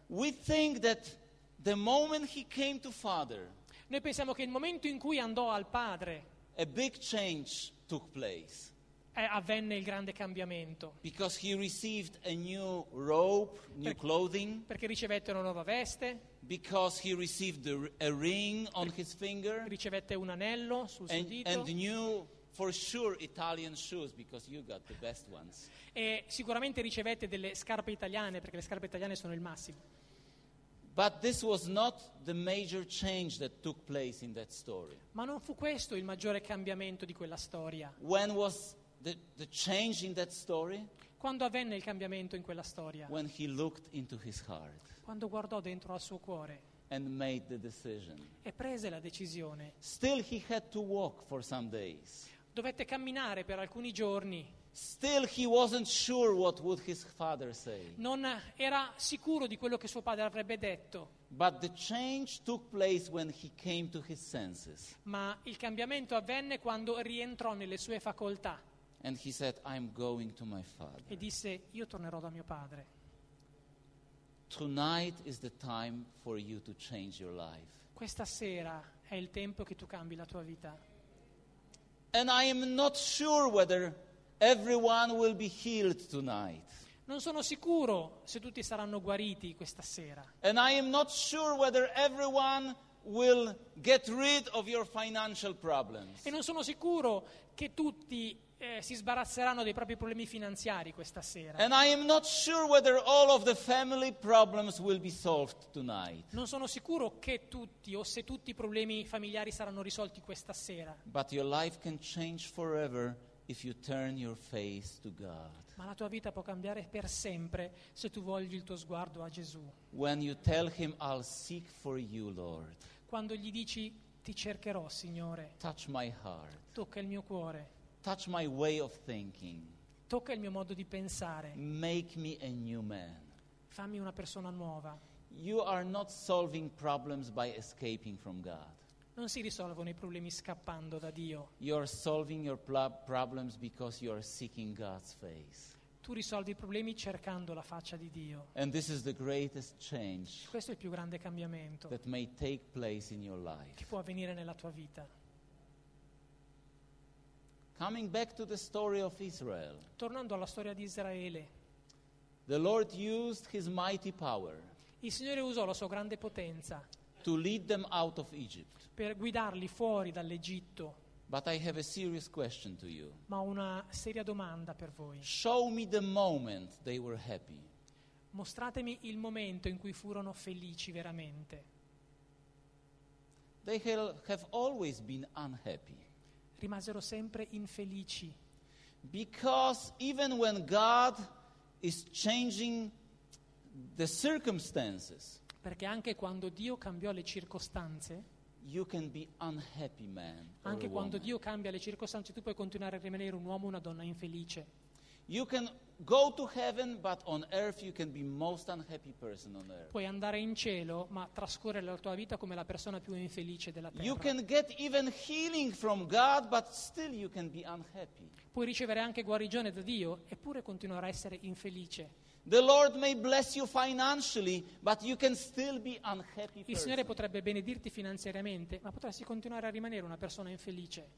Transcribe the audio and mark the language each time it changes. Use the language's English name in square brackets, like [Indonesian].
[English] We think that the moment he came to father. [Italian] Noi pensiamo che il momento in cui andò al padre. [English] A big change took place. [Italian] Avvenne il grande cambiamento. [English] Because he received a new robe, new clothing. [Italian] Perché ricevette una nuova veste. [English] Because he received a ring on his finger. [Italian] Ricevette un anello sul suo dito. [English] And new, for sure, Italian shoes, because you got the best ones. [Italian] E sicuramente ricevette delle scarpe italiane, perché le scarpe italiane sono il massimo. [English] But this was not the major change that took place in that story. [Italian] Ma non fu questo il maggiore cambiamento di quella storia. [English] When was the change in that story? [Italian] Quando avvenne il cambiamento in quella storia? [English] When he looked into his heart. [Italian] Quando guardò dentro al suo cuore. [English] And made the decision. [Italian] E prese la decisione. [English] Still he had to walk for some days. [Italian] dovette camminare per alcuni giorni. [English] Still he wasn't sure what would his father say. [Italian] Non era sicuro di quello che suo padre avrebbe detto. [English] But the change took place when he came to his senses. [Italian] Ma il cambiamento avvenne quando rientrò nelle sue facoltà. [English] And he said, I'm going to my father. [Italian] E disse, io tornerò da mio padre. [English] Tonight is the time for you to change your life. [Italian] Questa sera è il tempo che tu cambi la tua vita. [English] And I am not sure whether everyone will be healed tonight. [Italian] Non sono sicuro se tutti saranno guariti questa sera. [English] And I am not sure whether everyone will get rid of your financial problems. [Italian] E non sono sicuro che tutti si sbarazzeranno dei propri problemi finanziari questa sera. [English] And I am not sure whether all of the family problems will be solved tonight. [Italian] Non sono sicuro che tutti o se tutti i problemi familiari saranno risolti questa sera. [English] But your life can change forever if you turn your face to God. [Italian] Ma la tua vita può cambiare per sempre se tu volgi il tuo sguardo a Gesù. [English] When you tell him, I'll seek for you, Lord. [Italian] Quando gli dici ti cercherò, Signore. [English] Touch my heart. [Italian] Tocca il mio cuore. [English] Touch my way of thinking. [Italian] Tocca il mio modo di pensare. [English] Make me a new man. [Italian] Fammi una persona nuova. [English] You are not solving problems by escaping from God. [Italian] Non si risolvono i problemi scappando da Dio. [English] You are solving your problems because you are seeking God's face. [Italian] Tu risolvi i problemi cercando la faccia di Dio. [English] And this is the greatest change. [Italian] Questo è il più grande cambiamento. [English] That may take place in your life. [Italian] Che può avvenire nella tua vita. [English] Coming back to the story of Israel. [Italian] Tornando alla storia di Israele. [English] The Lord used his mighty power. [Italian] Il Signore usò la sua grande potenza. [English] To lead them out of Egypt. [Italian] Per guidarli fuori dall'Egitto. [English] But I have a serious question to you. [Italian] Ma ho una seria domanda per voi. [English] Show me the moment they were happy. [Italian] Mostratemi il momento in cui furono felici veramente. [English] They have always been unhappy. [Italian] Rimasero sempre infelici. [English] Because even when God is changing the circumstances, [Italian] perché anche quando Dio cambiò le circostanze, [English] you can be unhappy man or [Italian] anche [English] woman. [Italian] Quando Dio cambia le circostanze, tu puoi continuare a rimanere un uomo o una donna infelice. [English] You can go to heaven, but on earth you can be most unhappy person on earth. [Italian] Puoi andare in cielo, ma trascorrere la tua vita come la persona più infelice della terra. [English] You can get even healing from God, but still you can be unhappy. [Italian] Puoi ricevere anche guarigione da Dio, eppure continuare a essere infelice. [English] The Lord may bless you financially, but you can still be unhappy. [Italian] Il Signore person. Potrebbe benedirti finanziariamente, ma potresti continuare a rimanere una persona infelice.